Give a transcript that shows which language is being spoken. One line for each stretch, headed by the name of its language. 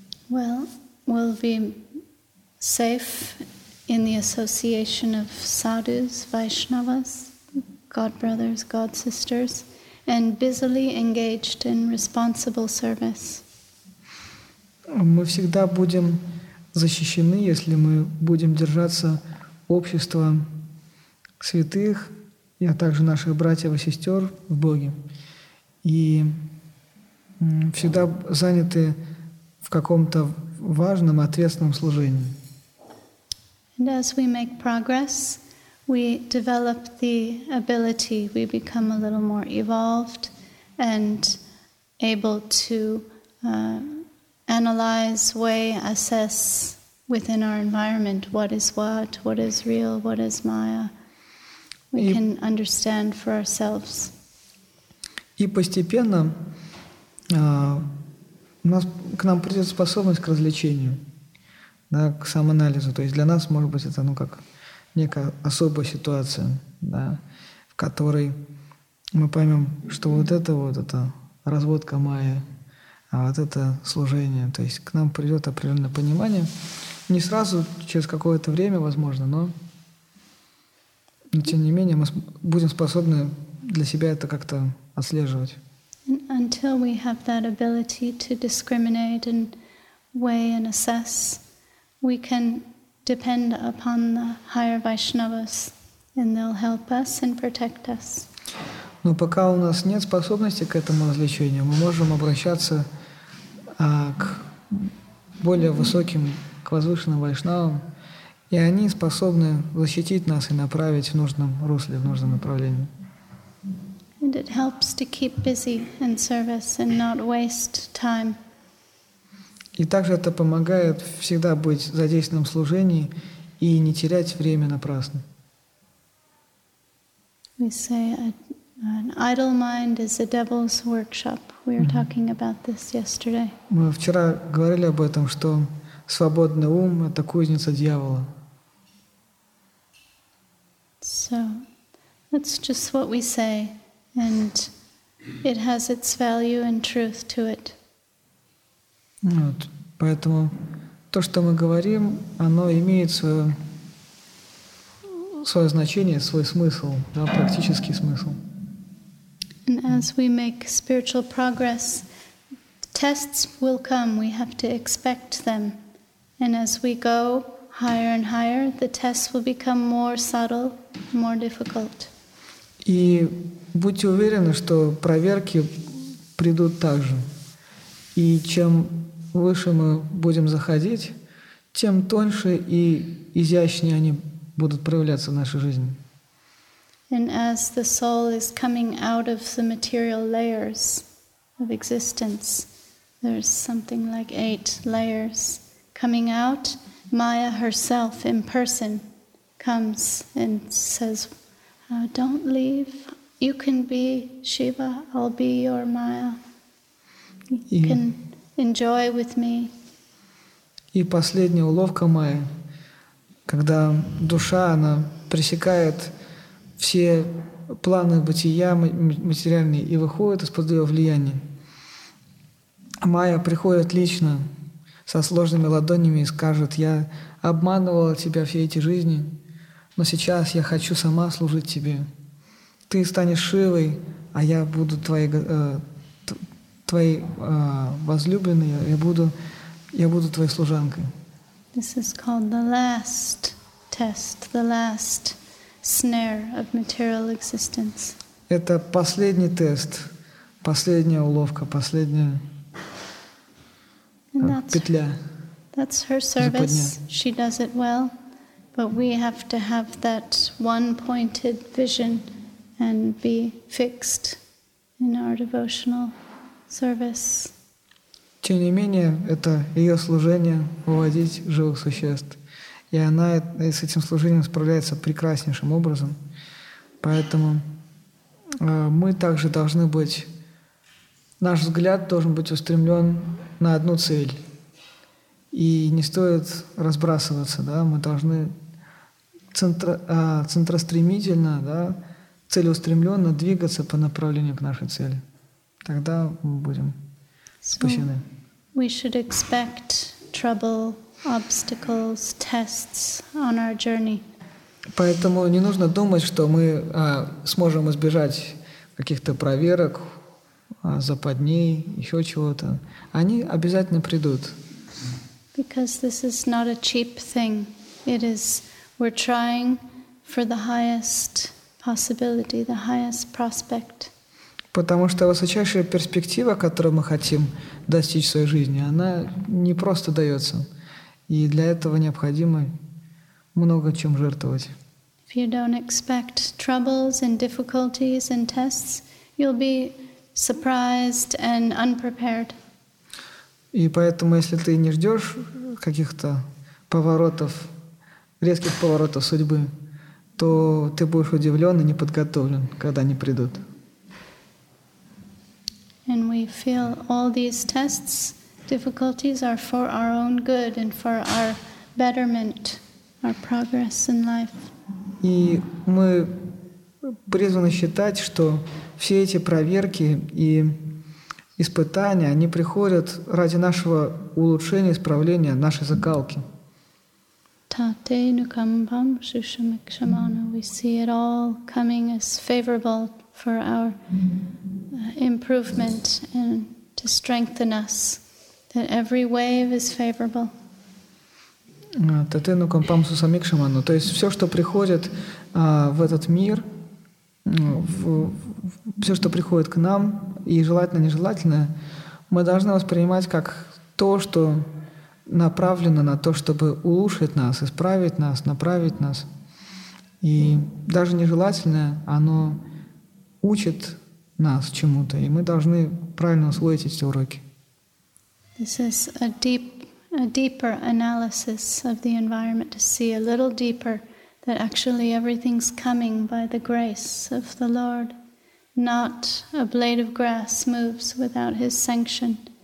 English: Well, we'll be safe in the association of sadhus, Vaishnavas, God brothers, God sisters, and busily engaged in responsible service.
Russian: мы всегда будем защищены, если мы будем держаться общества святых, а также наших братьев и сестер в Боге. И всегда заняты в каком-то важном, ответственном служении.
English: And as we make progress, we develop the ability, we become a little more evolved and able to analyze, weigh, assess within our environment what is real, what is maya. We can understand for ourselves.
Russian: И постепенно к нам придет способность к развлечению, да, к самоанализу. То есть для нас, может быть, это как некая особая ситуация, да, в которой мы поймем, что это разводка майя, а вот это служение. То есть к нам придет определенное понимание. Не сразу, через какое-то время, возможно, но тем не менее мы будем способны для себя это как-то отслеживать.
English: Until we have that ability to discriminate and weigh and assess, we can depend upon the higher Vaishnavas, and they'll help us and protect us.
Russian: Но пока у нас нет способности к этому развлечению, мы можем обращаться к более высоким, к возвышенным Вайшнавам, и они способны защитить нас и направить в нужном русле, в нужном направлении.
English: And it helps to keep busy in service and not waste time.
Russian: И также это помогает всегда быть задействованным в служении и не терять время напрасно.
English: We say an idle mind is a devil's workshop. We were talking about this yesterday.
Russian: Мы вчера говорили об этом, что свободный ум — это кузница дьявола.
English: So that's just what we say. And it has its value and truth to it.
Russian: Вот. Поэтому то, что мы говорим, оно имеет свое значение, свой смысл, да, практический смысл.
English: And as we make spiritual progress, tests will come. We have to expect them. And as we go higher and higher, the tests will become more subtle, more difficult.
Russian: И будьте уверены, что проверки придут также. И чем выше мы будем заходить, тем тоньше и изящнее они будут проявляться в нашей жизни.
English: And as the soul is coming out of the material layers of existence, there's something like 8 layers coming out. Maya herself in person comes and says, don't leave. You can be Shiva, I'll be your Maya. You can enjoy with me.
Russian: И последняя уловка Майя, когда душа, она пресекает все планы бытия материальные и выходит из-под ее влияния. Майя приходит лично со сложными ладонями и скажет: я обманывала тебя все эти жизни, но сейчас я хочу сама служить тебе. Ты станешь Шивой, а я буду твоей возлюбленной, я буду твоей служанкой.
English: This is called the last test, the last snare of material existence.
Russian: Это последний тест, последняя уловка, последняя петля.
English: That's her service. She does it well. But we have to have that one-pointed vision and be fixed in our devotional service.
Russian: Тем не менее, это ее служение выводить живых существ. И она с этим служением справляется прекраснейшим образом. Поэтому мы также должны быть, наш взгляд должен быть устремлен на одну цель. И не стоит разбрасываться, да, мы должны центростремительно, да, целеустремленно двигаться по направлению к нашей цели. Тогда мы будем спасены. So
English: we should expect trouble, obstacles, tests on our journey.
Russian: Поэтому не нужно думать, что мы сможем избежать каких-то проверок, западней, еще чего-то. Они обязательно придут.
English: Because this is not a cheap thing. It is, we're trying for the highest possibility, the highest prospect.
Russian: Потому что высочайшая перспектива, которую мы хотим достичь в своей жизни, она не просто дается. И для этого необходимо много чем жертвовать.
English: If you don't expect troubles and difficulties and tests, you'll be surprised and unprepared.
Russian: И поэтому, если ты не ждешь каких-то поворотов, резких поворотов судьбы, то ты будешь удивлен и не подготовлен, когда они придут.
English: And we feel all these tests, difficulties are for our own good and for our betterment, our progress in life.
Russian: И мы призваны считать, что все эти проверки и испытания, они приходят ради нашего улучшения, исправления нашей закалки.
Sanskrit: Tate nukampam shushamikshamana.
English: We see it all coming as favorable for our improvement and to strengthen us, that every wave is favorable.
Sanskrit: Tate nukampam shushamikshamana.
Russian: То есть все, что приходит в этот мир, все, что приходит к нам, и желательно, нежелательное, мы должны воспринимать как то, что направлено на то, чтобы улучшить нас, исправить нас, направить нас. И даже нежелательное, оно учит нас чему-то, и мы должны правильно усвоить эти уроки.
English: This is a deeper analysis of the environment, to see a little deeper, that actually everything's coming by the grace of the Lord. Not a blade of grass moves without his sanction.